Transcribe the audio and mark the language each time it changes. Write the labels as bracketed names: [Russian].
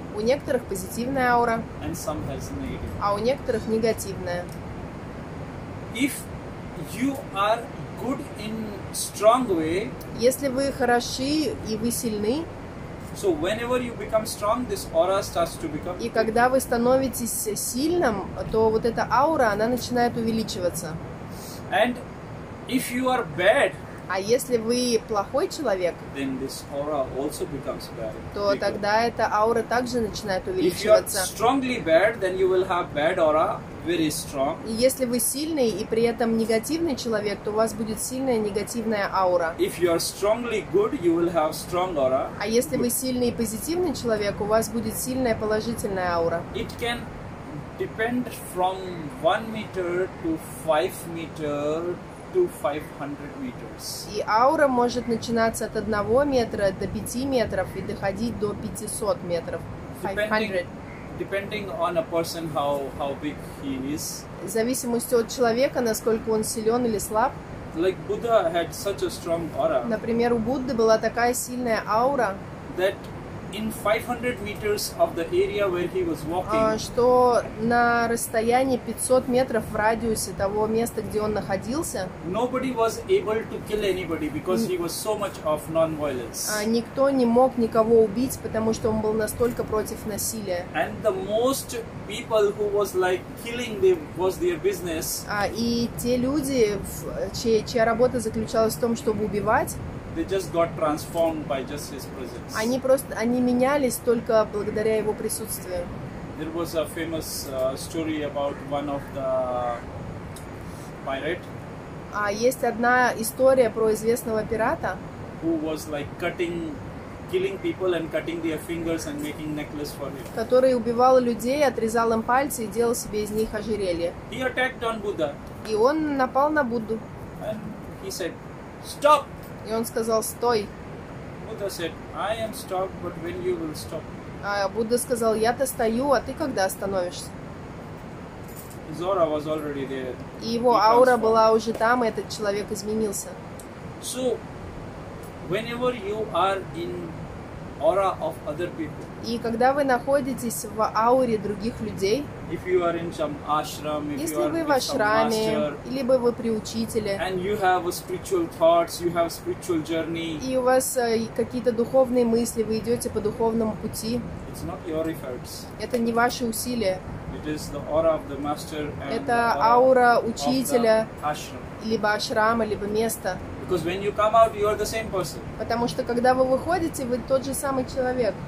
[Russian] У некоторых позитивная аура. [English] And some has negative. [Russian] А у некоторых негативная. [English] If you are good in strong way, [Russian] если вы хороши и вы сильны, [English] so whenever you become strong, this aura starts to become. [Russian] И когда вы становитесь сильным, то вот эта аура она начинает увеличиваться. [English] And if you are bad, [Russian] а если вы плохой человек, [English] then this aura also becomes bad. [Russian] То тогда эта аура также начинает увеличиваться. [English] If you are strongly bad, then you will have bad aura. Very strong. [Russian] И если вы сильный и при этом негативный человек, то у вас будет сильная негативная аура. [English] If you are strongly good, you will have strong aura. [Russian] А если вы сильный и позитивный человек, у вас будет сильная положительная аура. [English] It can depend from 1 meter to 5 meter to 500 meters. [Russian] И аура может начинаться от 1 метра до 5 метров и доходить до 500 метров. [English] 500. Depending on a person how big he is. [Russian] В зависимости от человека, насколько он силен или слаб. [English] like Buddha had such a strong aura. [Russian] Например, у Будды была такая сильная аура. [English] That in 500 meters of the area where he was walking. [Russian] Что на расстоянии 500 метров в радиусе того места, где он находился. [English] Nobody was able to kill anybody because he was so much of non-violence. [Russian] Никто не мог никого убить, потому что он был настолько против насилия. [English] And the most people who was like killing them was their business. [Russian] И те люди, чья работа заключалась в том, чтобы убивать. [English] They just got transformed by just his presence. [Russian] Они менялись только благодаря его присутствию. [English] There was a famous story about one of the pirate. [Russian] Есть одна история про известного пирата. [English] Who was like cutting, killing people and cutting their fingers and making necklace for him. [Russian] Который убивал людей, отрезал им пальцы и делал себе из них ожерелье. [English] He attacked on Buddha. [Russian] И он напал на Будду. [English] And he said, "Stop!" [Russian] И он сказал, стой. [English] Buddha said, I am stopped, but when you will stop? [Russian] Будда сказал, я-то стою, а ты когда остановишься? [English] His aura was already there. [Russian] И его аура была уже там, и этот человек изменился. [English] So, whenever you are in aura of other people. [Russian] И когда вы находитесь в ауре других людей, [English] if you are in some ashram, if [Russian] если [English] you are [Russian] вы в ашраме, либо вы при учителе, [English] and you have spiritual thoughts, you have spiritual journey, [Russian] и у вас какие-то духовные мысли, вы идете по духовному пути, [English] it's not your efforts. [Russian] Это не ваши усилия. [English] It is the aura of the master and [Russian] это [English] the aura [Russian] аура учителя, [English] of the ashram. [Russian] Либо ашрама, либо места. [English] Because when you come out, you are the same person. [Russian] Потому что когда вы выходите, вы тот же самый человек.